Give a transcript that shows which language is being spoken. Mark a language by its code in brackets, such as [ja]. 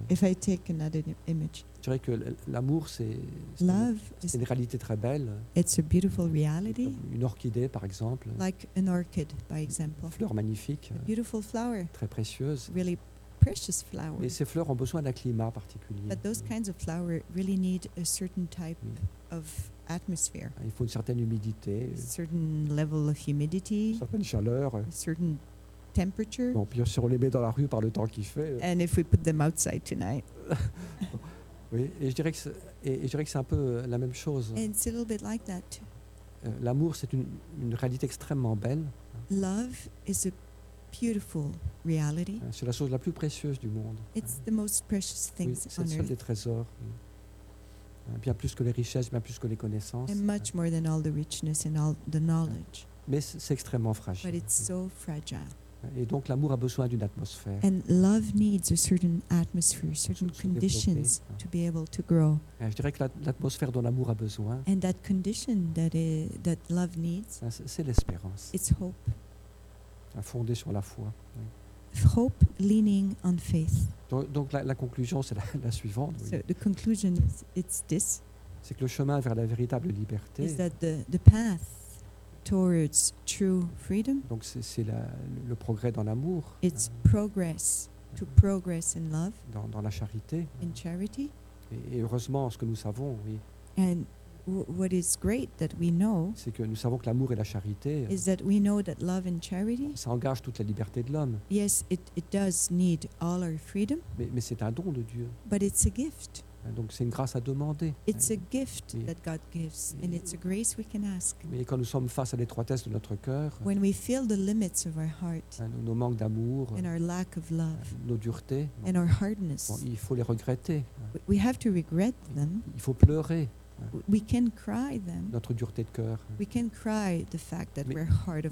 [en] If I take another image. [fr] Je dirais que l'amour, c'est une réalité très belle. [en] It's a beautiful reality. [fr] Une orchidée, par exemple. [en] Like an orchid, by example. [fr] Une fleur magnifique. [en] A beautiful flower. [fr] Très précieuse. [en] Really precious flower. [fr] Et ces fleurs ont besoin d'un climat particulier. [en] But those kinds of flowers really need a certain type of atmosphere. [fr] Il faut une certaine humidité. [en] A certain level of humidity. [fr] Une certaine chaleur. [en] Certain temperature. [fr] Bon, puis si on les met dans la rue par le temps qu'il fait. [en] And if we put them outside tonight. [fr] Oui, et je dirais que c'est un peu la même chose. [en] And it's a little bit like that. [fr] L'amour, c'est une réalité extrêmement belle. [en] Love is a beautiful reality. [fr] C'est la chose la plus précieuse du monde. [en] It's the most precious things on earth. [fr] Oui, c'est le seul des trésors. Bien plus que les richesses, bien plus que les connaissances. [en] And much more than all the richness and all the knowledge. [fr] Mais c'est extrêmement fragile. [en] But it's so fragile. [fr] Et donc l'amour a besoin d'une atmosphère. [en] And love needs a certain atmosphere, certain conditions to be able to grow. [fr] Je dirais que l'atmosphère dont l'amour a besoin. [en] And that condition that love needs. [fr] C'est l'espérance. [en] It's hope. [fr] Fondée sur la foi. [en] Hope leaning on faith. [fr] Donc la conclusion c'est la suivante. Oui. [en] So the conclusion is it's this. [fr] C'est que le chemin vers la véritable liberté. [en] Is that the path. Towards true freedom. [fr] Donc c'est le progrès dans l'amour. [en] It's progress to progress in love. [fr] Dans la charité. [en] In charity. [fr] Et heureusement, ce que nous savons, oui. [en] And what is great that we know, [fr] c'est que nous savons que l'amour et la charité, [en] is that we know that love and charity, [fr] ça engage toute la liberté de l'homme. [en] Yes, it does need all our freedom. [fr] Mais c'est un don de Dieu. [en] But it's a gift. [fr] Donc c'est une grâce à demander. [en] It's a gift that God gives, and it's a grace we can ask. [fr] Mais quand nous sommes face à l'étroitesse de notre cœur, [en] when we feel the limits of our heart, [fr] nos manques d'amour, [en] and our lack of love, [fr] nos duretés, [en] and our hardness, [fr] il faut les regretter. [en] We have to regret them. [fr] Il faut pleurer. [en] We can cry them. [fr] Notre dureté de cœur. [en] We can cry the fact that we're hard of heart.